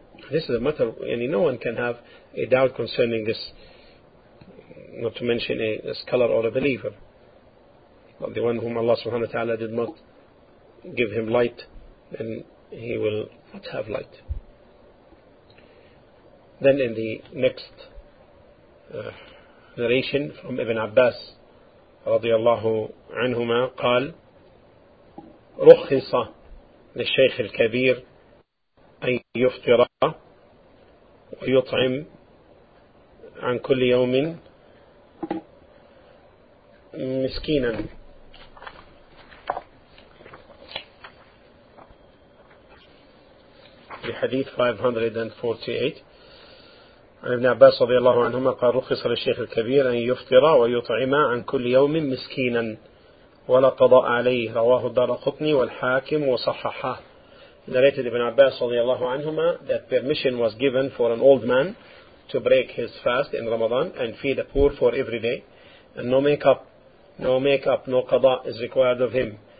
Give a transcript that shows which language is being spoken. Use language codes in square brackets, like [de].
[en] This is a matter, no one can have a doubt concerning this, not to mention a scholar or a believer. But the one whom Allah subhanahu wa ta'ala did not give him light, then he will not have light. Then in the next narration from Ibn Abbas [ar] رضي الله عنهما قال رخص للشيخ الكبير أن يفطر ويطعم عن كل يوم مسكينا. بحديث 548 عن ابن عباس رضي الله عنهما قال رخص للشيخ الكبير أن يفطر ويطعم عن كل يوم مسكينا ولا قضاء عليه. رواه الدارقطني والحاكم وصححه. [en] Narrated Ibn Abbas radiallahu anhuma that permission was given for an old man to break his fast in Ramadan and feed the poor for every day, and no makeup, no qada is required of him.